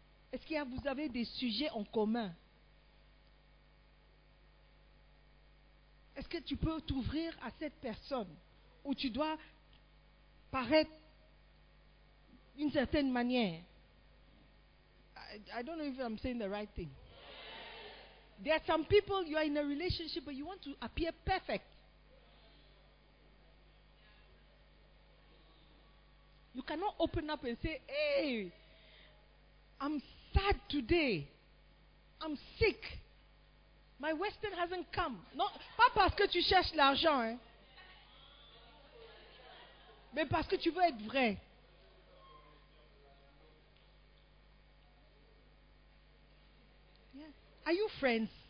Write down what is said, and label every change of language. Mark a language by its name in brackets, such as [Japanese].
[French] Est-ce que vous avez des sujets en commun? Est-ce que tu peux t'ouvrir à cette personne ou tu dois paraître d'une certaine manière? [English] I don't know if I'm saying the right thing. There are some people, you are in a relationship, but you want to appear perfect. You cannot open up and say, hey, I'm sad today. I'm sick. My Western hasn't come. [French] Non, pas parce que tu cherches l'argent, hein, mais parce que tu veux être vrai. [English] Yeah. Are you friends?